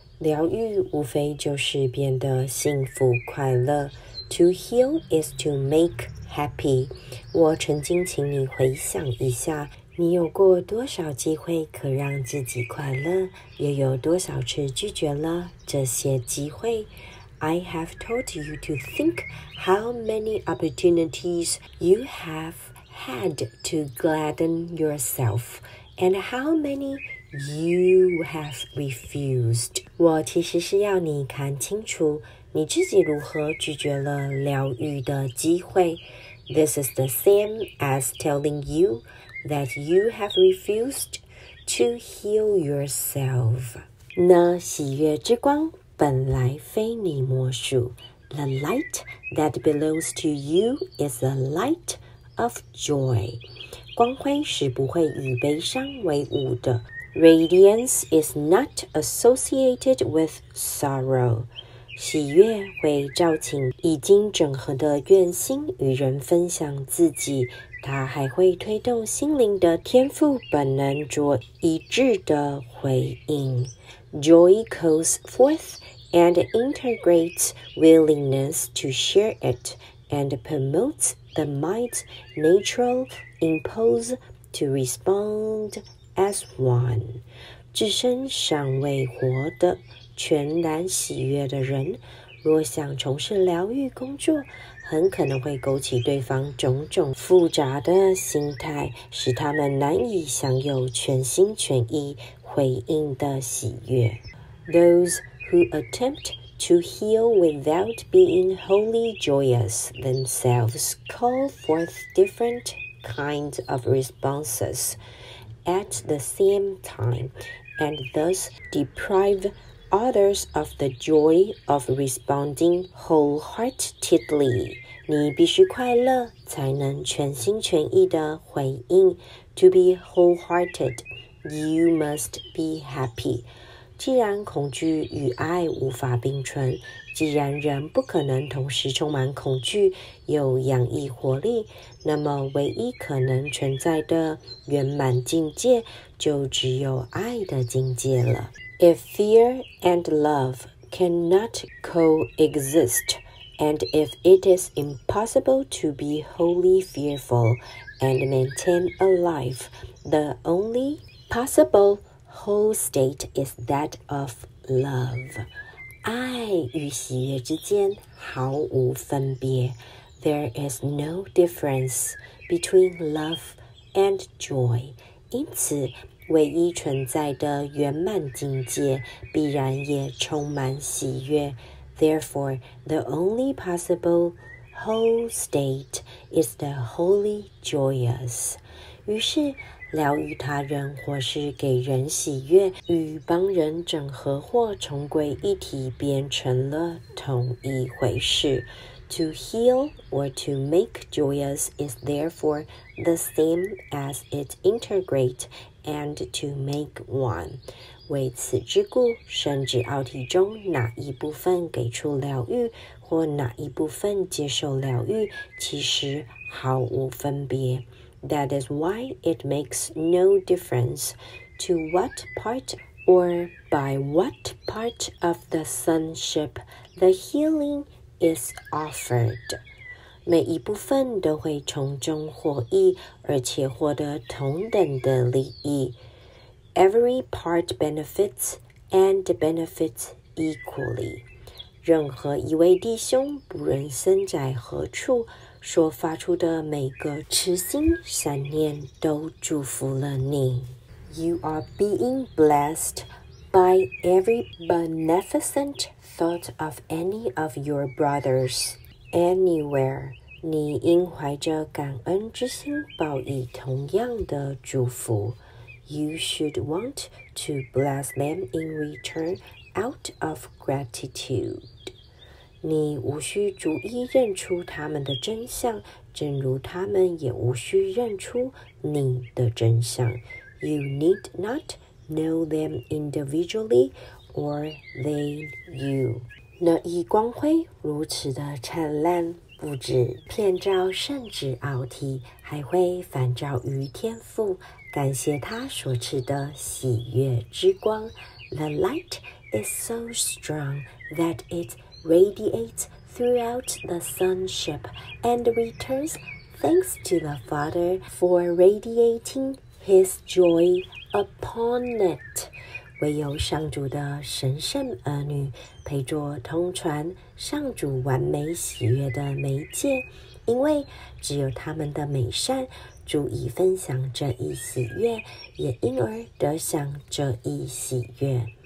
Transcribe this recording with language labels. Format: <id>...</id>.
<zh>疗愈无非就是变得幸福快乐。</zh> <en>To heal is to make happy。</en> <zh>我曾经请你回想一下，你有过多少机会可让自己快乐，也有多少次拒绝了这些机会。</zh> <en>I have told you to think how many opportunities you have had to gladden yourself and how many you have refused。</en> <zh>我其实是要你看清楚你自己如何拒绝了疗愈的机会。</zh> <en>This is the same as telling youthat you have refused to heal yourself。</en> <zh>那喜悦之光本来非你莫属。</zh> <en>The light that belongs to you is the light of joy。</en> <zh>光辉是不会与悲伤为伍的。</zh> <en>Radiance is not associated with sorrow。</en> <zh>喜悦会召集已经整合的愿心与人分享自己，它还会推动心灵的天赋本能做一致的回应。</zh> <en>Joy calls forth and integrates willingness to share it and promotes the mind's natural impulse to respond as one。</en> <zh>置身尚未活的全然喜悦的人，若想从事疗愈工作，很可能会勾起对方种种复杂的心态，使他们难以享有全心全意回应的喜悦。</zh> <en>Those who attempt to heal without being wholly joyous themselves call forth different kinds of responses at the same time and thus deprive others of the joy of responding wholeheartedly。</en> <zh>你必须快乐才能全心全意的回应。</zh> <en>To be wholehearted, you must be happy。</en> <zh>既然恐惧与爱无法并存，既然人不可能同时充满恐惧又洋溢活力，那么唯一可能存在的圆满境界就只有爱的境界了。</zh> <en>If fear and love cannot coexist,And if it is impossible to be wholly fearful and maintain a life, the only possible whole state is that of love.</en> <zh>爱与喜悦之间毫无分别。</zh> <en>There is no difference between love and joy.</en> <zh>因此，唯一存在的圆满境界必然也充满喜悦。</zh> <en>Therefore, the only possible whole state is the wholly joyous.</en> <zh>于是，疗愈他人或是给人喜悦，与帮人整合或重归一体变成了同一回事。</zh> <en>To heal or to make joyous is therefore the same as it integrate and to make one.</en> <zh>为此之故，甚至奥体中哪一部分给出疗愈或哪一部分接受疗愈其实毫无分别。</zh> <en>That is why it makes no difference to what part or by what part of the sonship the healing is offered。</en> <zh>每一部分都会从中获益，而且获得同等的利益。</zh> <en>Every part benefits and benefits equally.</en> <zh>任何一位弟兄，不论身在何处，所发出的每个慈心善念都祝福了你。</zh> <en>You are being blessed by every beneficent thought of any of your brothers anywhere.</en> <zh>你应怀着感恩之心报以同样的祝福。</zh> <en>You should want to bless them in return out of gratitude.</en> <zh>你无需逐一认出他们的真相，正如他们也无需认出你的真相。</zh> <en>You need not know them individually or they you.</en> <zh>那一光辉如此的灿烂，不止遍照圣旨奥体，还会反照于天父，感谢他所赐的喜悦之光。</zh> <en>The light is so strong that it radiates throughout the sonship and returns thanks to the Father for radiating his joy upon it.</en> <zh>唯有上主的神圣儿女陪着通传上主完美喜悦的媒介，因为只有他们的美善足以分享这一喜悦，也因而得享这一喜悦。</zh>